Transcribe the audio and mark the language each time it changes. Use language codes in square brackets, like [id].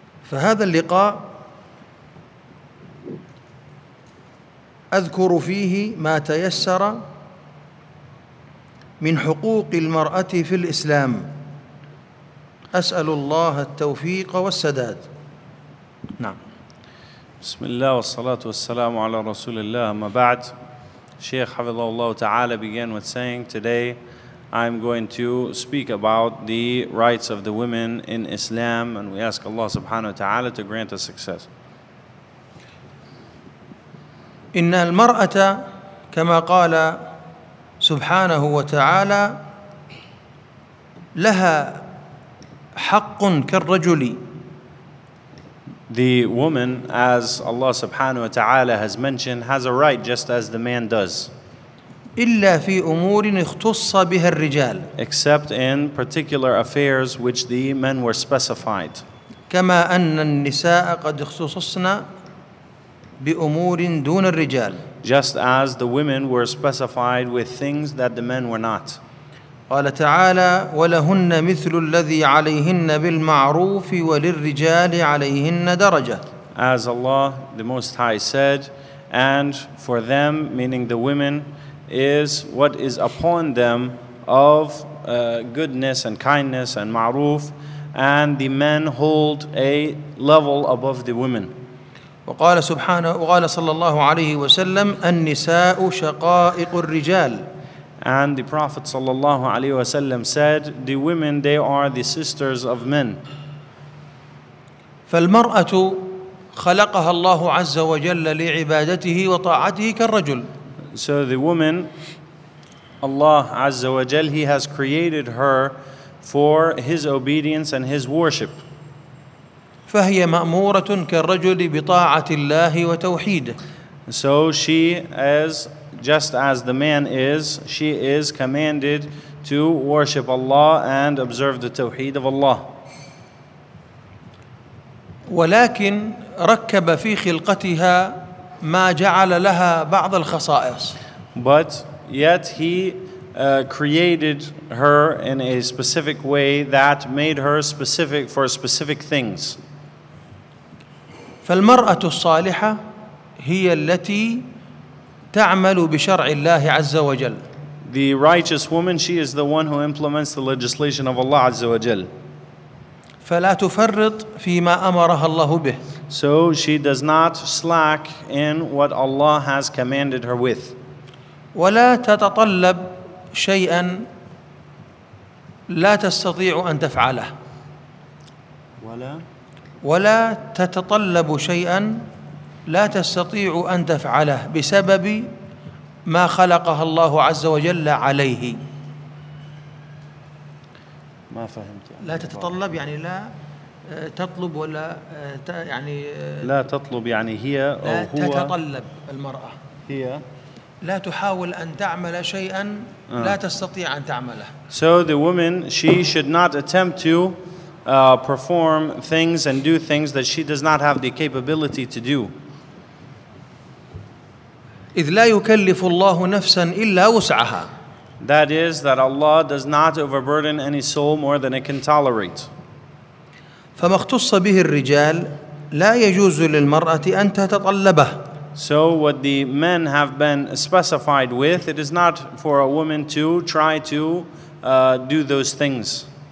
[ar] فهذا اللقاء أذكر فيه ما تيسر من حقوق المرأة في الإسلام، أسأل الله التوفيق والسداد. نعم. بسم الله والصلاة والسلام على رسول الله. أما بعد، شيخ حفظه الله تعالى [en] began with saying, today I'm going to speak about the rights of the women in Islam, and we ask Allah subhanahu wa ta'ala to grant us success. [ar] إن المرأة كما قال سبحانه وتعالى لها حق كالرجل. [en] The woman, as Allah subhanahu wa ta'ala has mentioned, has a right just as the man does. [ar] إلا في أمور اختص بها الرجال. [en] Except in particular affairs which the men were specified. [ar] كما أن النساء قد اختصصن بأمور دون الرجال. [en] Just as the women were specified with things that the men were not. [ar] قال تعالى ولهن مثل الذي عليهن بالمعروف وللرجال عليهن درجة. [en] As Allah the Most High said, and for them, meaning the women, is what is upon them of goodness and kindness and ma'roof, and the men hold a level above the women. [ar] وقال سبحانه وقال صلى الله عليه وسلم النساء شقائق الرجال. [en] And the Prophet [ar] صلى الله عليه وسلم [en] said, the women, they are the sisters of men. [ar] فالمرأة خلقها الله عز وجل لعبادته وطاعته كالرجل. [en] So the woman, Allah [ar] عز وجل, [en] he has created her for his obedience and his worship. [ar] فهي مأمورة كالرجل بطاعة الله وتوحيده. [en] So she is, just as the man is, she is commanded to worship Allah and observe the tawheed of Allah. [ar] ولكن ركب في خلقتها ما جعل لها بعض الخصائص. [en] But yet he created her in a specific way that made her specific for specific things. [ar] فالمرأة الصالحة هي التي تعمل بشرع الله عز وجل. [en] The righteous woman, she is the one who implements the legislation of Allah [ar] عز وجل. فلا تفرط فيما أمرها الله به. [en] So she does not slack in what Allah has commanded her with. [ar] ولا تتطلب شيئا لا تستطيع أن تفعله. ولا تتطلب شيئا لا تستطيع أن تفعله بسبب ما خلقها الله عز وجل عليه. ما فهمت يعني لا تتطلب، يعني لا تطلب ولا يعني لا تطلب يعني هي أو هو لا تتطلب المرأة هي لا تحاول أن تعمل شيئا لا تستطيع أن تعمله. [en] So the woman, she should not attempt to perform things and do things that she does not have the capability to do. [ar] إذ لا يكلف الله نفسا إلا وسعها. [en] That is that Allah does not overburden any soul more than it can tolerate. [ar] فما اختص به الرجال لا يجوز للمرأة أن تتطلبه. [en] So what the men have been specified with, it is not for a woman to try to do those things.